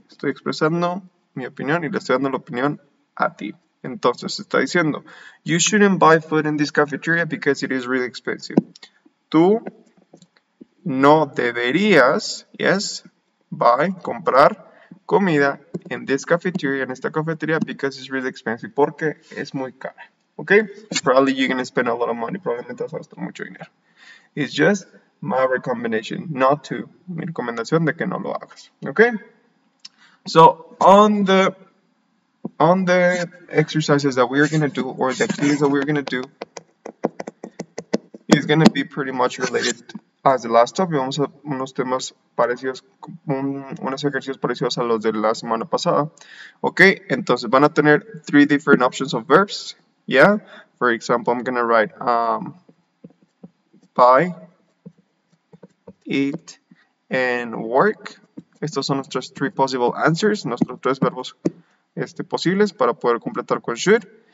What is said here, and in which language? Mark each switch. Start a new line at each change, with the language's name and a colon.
Spanish: Estoy expresando mi opinión y le estoy dando la opinión a ti. Entonces está diciendo,
English: you shouldn't buy food in this cafeteria because it is really expensive.
Spanish: Tú no deberías,
English: yes, buy,
Spanish: comprar comida
English: in this cafeteria,
Spanish: en esta cafetería,
English: because it's really expensive,
Spanish: porque es muy cara.
English: Okay? Probably you're gonna spend a lot of money,
Spanish: probablemente vas a gastar mucho dinero.
English: It's just my recommendation, not to,
Spanish: mi recomendación de que no lo hagas.
English: Okay? So, on the exercises that we are gonna do, or the activities that we are gonna do, is gonna be pretty much related as the last topic.
Spanish: Vamos a unos temas parecidos, unos ejercicios parecidos a los de la semana pasada.
English: Okay,
Spanish: entonces van a tener
English: three different options of verbs. Yeah, for example, I'm gonna write buy, eat, and work.
Spanish: Estos son nuestros
English: three possible answers,
Spanish: nuestros tres verbos posibles para poder completar con should.